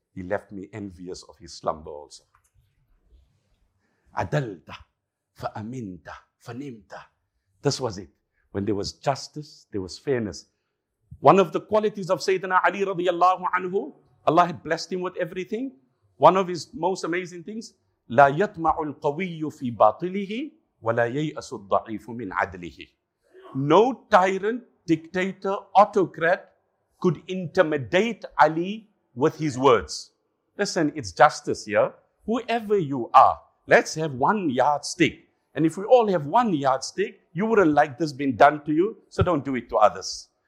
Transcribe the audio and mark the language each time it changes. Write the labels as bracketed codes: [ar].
[en] He left me envious of his slumber also. [ar] Adalta, Faaminta, Fanimta. [en] This was it. When there was justice, there was fairness. One of the qualities of Sayyidina Ali radiallahu anhu, Allah had blessed him with everything. One of his most amazing things, [ar] لا يطمع القوي في باطله ولا ييأس الضعيف من عدله. [en] No tyrant, dictator, autocrat could intimidate Ali with his words. Listen, it's justice here. Whoever you are, let's have one yardstick. And if we all have one yardstick, you wouldn't like this being done to you, so don't do it to others.